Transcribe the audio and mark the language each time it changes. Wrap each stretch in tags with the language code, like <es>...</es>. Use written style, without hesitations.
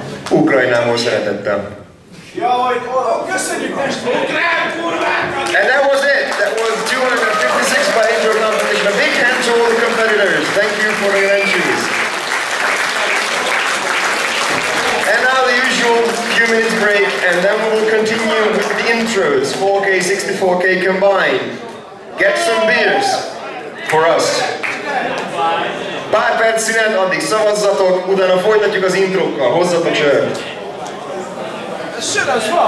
<hu>Ukrajnámból szeretettem.</hu> <en>And that was it. That was 256 by intro competition. A big hand to all the competitors. Thank you for your entries. And now the usual few minutes break, and then we will continue with the intros, 4K, 64K combined. Get some beers for us.</en> <hu>Pár perc szünet, addig szavazzatok, utána folytatjuk az intrókkal, hozzatok sört! Sőt, az van!</hu>